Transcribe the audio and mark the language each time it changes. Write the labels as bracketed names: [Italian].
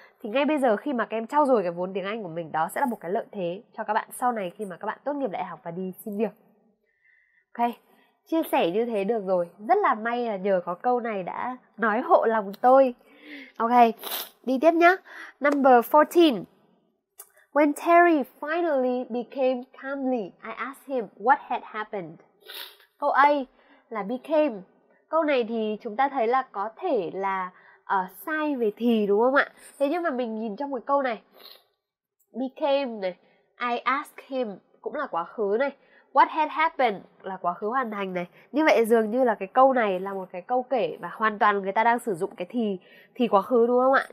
[Vietnamese] Thì ngay bây giờ khi mà các em trau dồi cái vốn tiếng Anh của mình, đó sẽ là một cái lợi thế cho các bạn sau này khi mà các bạn tốt nghiệp đại học và đi xin việc. Ok, chia sẻ như thế được rồi. Rất là may là nhờ có câu này đã nói hộ lòng tôi. Ok, đi tiếp nhá. [English] Number 14. When Terry finally became calmly, I asked him what had happened. [Vietnamese] Câu A là became. Câu này thì chúng ta thấy là có thể là sai về thì đúng không ạ? Thế nhưng mà mình nhìn trong một câu này, became này, [English] I asked him [Vietnamese] cũng là quá khứ này, [English] what had happened [Vietnamese] là quá khứ hoàn thành này. Như vậy dường như là cái câu này là một cái câu kể và hoàn toàn người ta đang sử dụng cái thì quá khứ đúng không ạ?